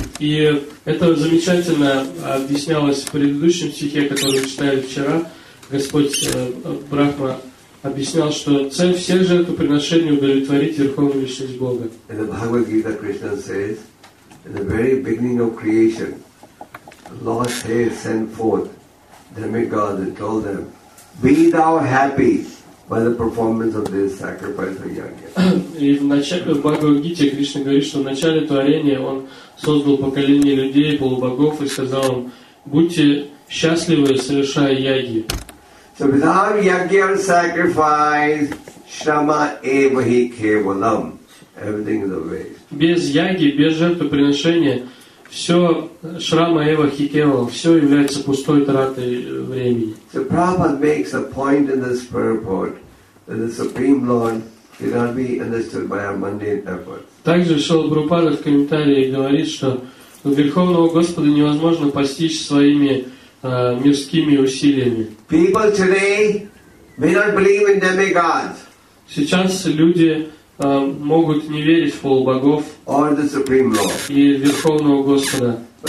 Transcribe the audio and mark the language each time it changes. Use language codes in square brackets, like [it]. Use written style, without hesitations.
[ru] И это замечательно объяснялось в предыдущем стихе, который мы читали вчера. Господь Брахма объяснял, что цель всех жертвоприношений удовлетворить Верховную Личность Бога. [en] In the Bhagavad Gita, Krishna says, in the very beginning of creation, Lord Shiva sent forth demigods and told them, be thou happy, by the performance of this sacrifice of yajna. [ru] И в начале в Бхагавад-гите Кришна говорит, что в начале творения он создал поколение людей, полубогов и сказал им: будьте счастливы, совершая яги. [en] So without yajna sacrifice, [sa] shrama eva hi kevalam. [en] Everything is a waste. [ru] Без яги, без жертвоприношения, все [sa] шрама эва хи кевал, [ru] все является пустой тратой времени. [en] So Prabhupada makes a point in this purport that the Supreme Lord cannot be understood by our mundane efforts. [ru] Также Шрила Прабхупада в комментарии говорит, что Верховного Господа невозможно постичь своими мирскими усилиями. [en] People today may not believe in demigods. [ru] Сейчас люди могут не верить в полубогов и Верховного Господа.